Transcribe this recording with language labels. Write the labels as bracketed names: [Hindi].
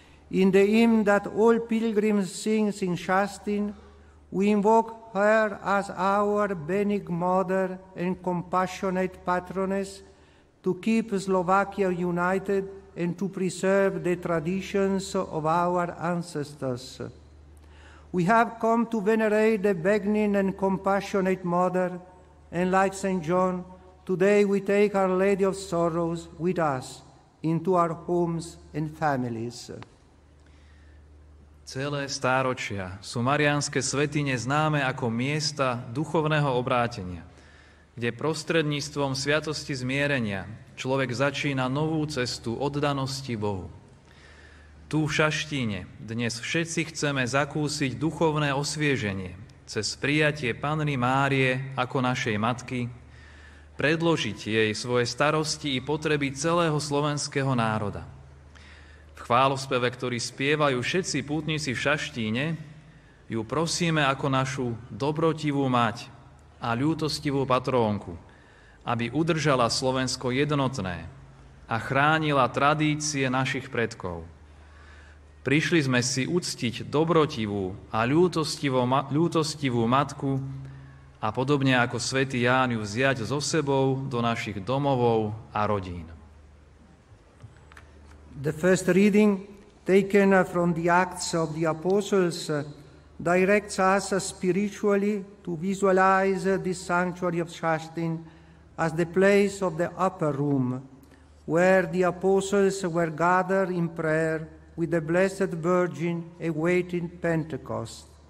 [English] In the hymn that all pilgrims sing in Shastin, we invoke her as our benign mother and compassionate patroness to keep Slovakia united and to preserve the traditions of our ancestors. We have come to venerate the benign and compassionate mother, and like St. John, today we take Our Lady of Sorrows with us into our homes and families. [Slovak] Celé stáročia sú mariánske svätyne známe ako miesta duchovného obrátenia, kde prostredníctvom sviatosti zmierenia človek začína novú cestu oddanosti Bohu. Tu v Šaštíne dnes všetci chceme zakúsiť duchovné osvieženie cez prijatie Panny Márie ako našej matky, predložiť jej svoje starosti i potreby celého slovenského národa. V chválospeve, ktorý spievajú všetci pútnici v Šaštíne, ju prosíme ako našu dobrotivú mať a ľútostivú patrónku, aby udržala Slovensko jednotné a chránila tradície našich predkov. Prišli sme si uctiť dobrotivú a ľútostivú matku a podobne ako svätý Ján ju vziať so sebou do našich domovov a rodín. [English] The first reading, taken from the Acts of the Apostles, directs us spiritually to visualize this sanctuary of Shastin as the place of the upper room, where the Apostles were gathered in prayer with the Blessed Virgin awaiting Pentecost.